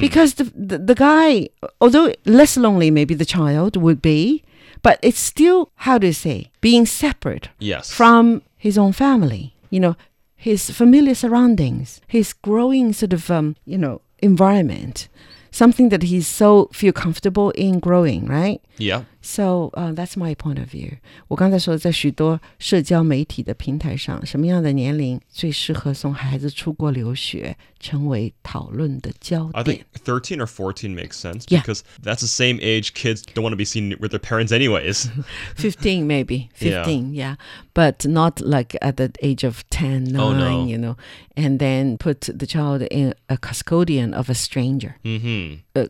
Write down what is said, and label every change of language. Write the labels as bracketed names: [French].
[English] Because the guy, although less lonely maybe the child would be, but it's still, how do you say, being separate. Yes. From his own family, you know. His familiar surroundings, his growing sort of, you know, environment, something that he's so feel comfortable in growing, right? Yeah. So that's my point of view. [Chinese] 我刚才说在许多社交媒体的平台上，什么样的年龄最适合送孩子出国留学成为讨论的焦点。 [English] I think 13 or 14 makes sense because that's the same age kids don't want to be seen with their parents anyways. 15 maybe, 15, yeah. But not like at the age of 10, 9, oh, no. you know. And then put the child in a custodian of a stranger. Mm-hmm.